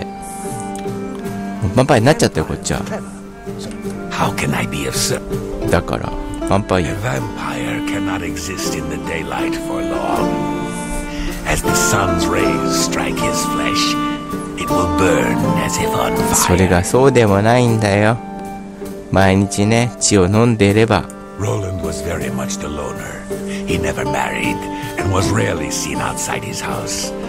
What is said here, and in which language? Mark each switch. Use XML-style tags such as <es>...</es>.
<ja>ヴァンパイアになっちゃったよ、こっちは。</ja> <en>How can I be of service?</en> <ja>だから、ヴァンパイア。</ja> <en>A vampire cannot exist in the daylight for long. As the sun's rays strike his flesh, it will burn as if on fire.</en> <ja>それがそうでもないんだよ。毎日ね、血を飲んでいれば。</ja> <en>Roland was very much the loner. He never married and was rarely seen outside his house.</en>